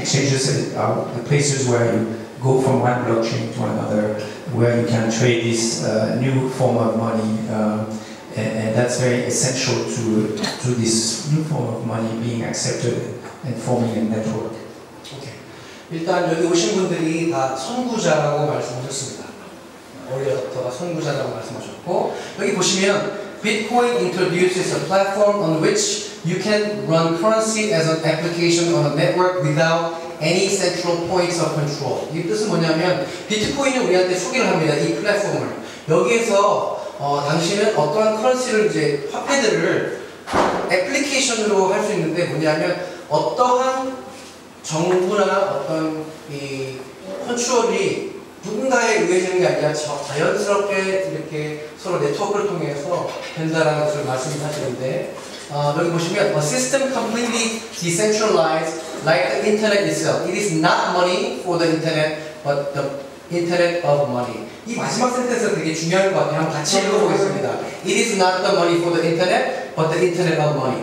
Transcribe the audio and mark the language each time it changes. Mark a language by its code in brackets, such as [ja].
[en] Exchanges are the places where you go from one blockchain to another, where you can trade this new form of money. And that's very essential to this new form of money being accepted and forming a network. [ko] 일단 여기 오신 분들이 다 선구자라고 말씀하셨습니다. 어리어터가 선구자라고 말씀하셨고 여기 보시면 [en] Bitcoin introduces a platform on which you can run currency as an application on a network without any central points of control. [ko] 이 뜻은 뭐냐면 비트코인을 우리한테 소개를 합니다. 이 플랫폼을 여기에서 당신은 어떠한 커런시를 이제 화폐들을 애플리케이션으로 할 수 있는데 뭐냐면 어떠한 정부나 어떤 이 컨트롤이 누군가에 의해지는 게 아니라 자연스럽게 이렇게 서로 네트워크를 통해서 된다라는 것을 말씀하시는데 여기 보시면 [en] A system completely decentralized like the internet itself. It is not money for the internet but the internet of money. [ko] 이 마지막 센텐스 되게 중요할 것 같아요. 한번 같이 읽어보겠습니다. [en] It is not the money for the internet but the internet of money.